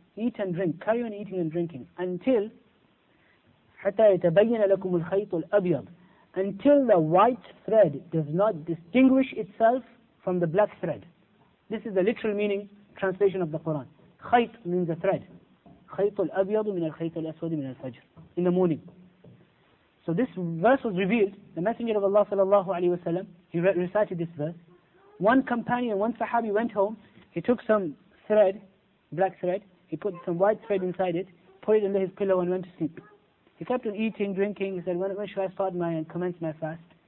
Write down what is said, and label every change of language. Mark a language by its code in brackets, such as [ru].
[en] Eat and drink, carry on eating and drinking until [ar] حتى يتبين لكم الخيط الأبيض, [en] until the white thread does not distinguish itself from the black thread. This is the literal meaning translation of the Quran. خيط means a thread. [ar] خيط الأبيض من الخيط الأسود من الفجر, [en] in the morning. So this verse was revealed. The Messenger of Allah sallallahu alaihi wasallam, he recited this verse. One companion, one Sahabi went home. He took some thread, black thread. He put some white thread inside it, put it under his pillow, and went to sleep. He kept on eating, drinking. He said, "When should I start my and commence my fast?"